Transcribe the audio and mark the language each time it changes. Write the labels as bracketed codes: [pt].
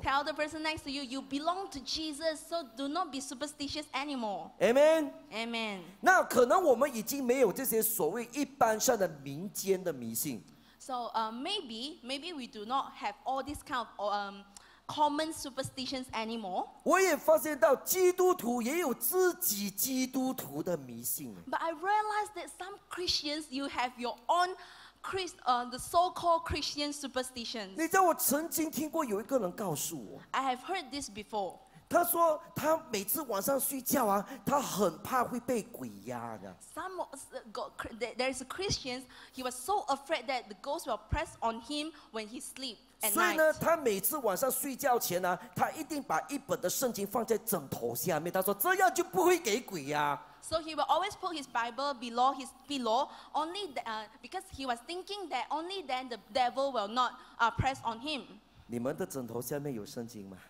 [en] Tell the person next to you, you belong to Jesus, so do not be superstitious anymore. Amen. Amen. [zh] 那可能我们已经没有这些所谓一般上的民间的迷信。 [en] So maybe we do not have all this kind of common superstitions anymore. [zh] 我也发现到基督徒也有自己基督徒的迷信。 [en] But I realized that some Christians, you have your own the so-called Christian superstitions. [zh] 你知道我曾经听过有一个人告诉我, [en] I have heard this before. [zh] 他说他每次晚上睡觉啊, 他很怕会被鬼压的。 [en] There is a Christian, he was so afraid that the ghost will press on him when he sleeps. [zh] 所以呢，他每次晚上睡觉前呢, 他一定把一本的圣经放在枕头下面, 他说这样就不会给鬼呀。 [en] So he will always put his Bible below his pillow, only because he was thinking that only then the devil will not press on him. [zh] 你们的枕头下面有圣经吗?